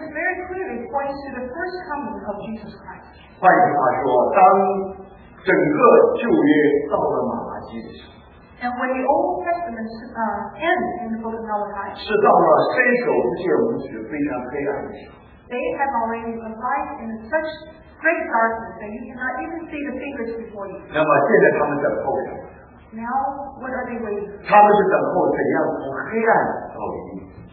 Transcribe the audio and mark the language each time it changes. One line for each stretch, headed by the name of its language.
English: this very clearly points to the first coming of Jesus Christ.
Chinese: 换句话说，当整个旧约到了马拉基的时候，
English: and when the Old Testament ends in the book of Malachi,
Chinese: 是到了伸手不见五指非常黑暗的时候，
English: they have already arrived in such great darkness that you cannot even see the fingers before you.
Chinese: 那么现在他们在后面。
English: Now, what are they waiting for?
Chinese: 他们是等候怎样从黑暗到黎明。